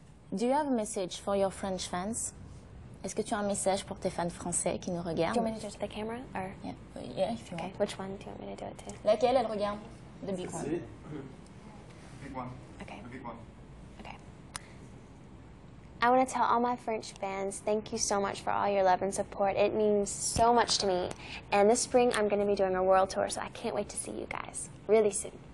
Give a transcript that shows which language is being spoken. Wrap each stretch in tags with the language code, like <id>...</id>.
<en>Do you have a message for your French fans?</en> <fr>Est-ce que tu as un message pour tes fans français qui nous regardent?</fr> <en>Do you want me to do it to the camera? Or... Yeah, if you want. Which one do you want me to do it to?</en> <fr>Laquelle elle regarde?</fr> <en>The big one. Big one. Okay. The big one. I want to tell all my French fans, thank you so much for all your love and support. It means so much to me. And this spring, I'm going to be doing a world tour, so I can't wait to see you guys really soon.</en>